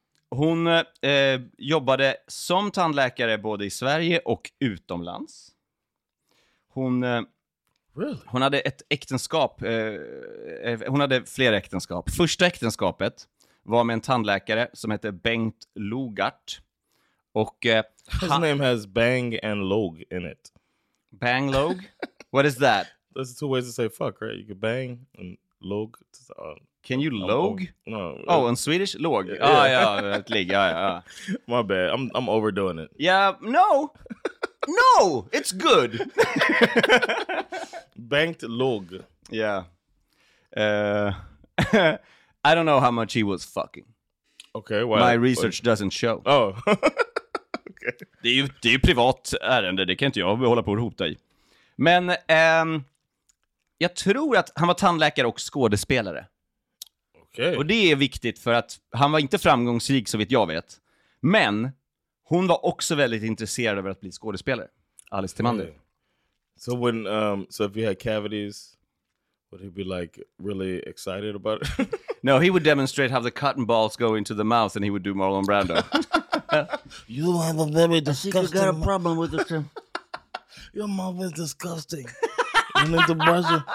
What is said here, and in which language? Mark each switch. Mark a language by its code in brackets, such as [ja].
[sv] Hon jobbade som tandläkare både i Sverige och utomlands. Hon hon hade ett äktenskap. Hon hade flera äktenskap. Första äktenskapet var med en tandläkare som hette Bengt Logart. Och [en] his name has Bang and Log in it. Bang Log? What is that? There's two ways to say fuck, right? You can bang and log. Can you log? No. Oh, in Swedish? Log. Yeah, yeah. Ah, yeah. Lig. Ah, yeah. My bad. I'm overdoing it. Yeah, no. No, it's good. Banked log. Yeah. I don't know how much he was fucking. Okay, well. My research doesn't show. Oh. [sv] Okay. Det är ju privat ärende. Det kan inte jag hålla på och hota i. Men jag tror att han var tandläkare och skådespelare. Och det är viktigt för att han var inte framgångsrik så vitt jag vet. Men hon var också väldigt intresserad av att bli skådespelare. [en] Alice Timander. Yeah. So when so if he had cavities, would he be like really excited about it? No, he would demonstrate how the cotton balls go into the mouth and he would do Marlon Brando. You have a very disgusting... I think you got a problem with it, Tim. Your mouth is disgusting. You need to brush it.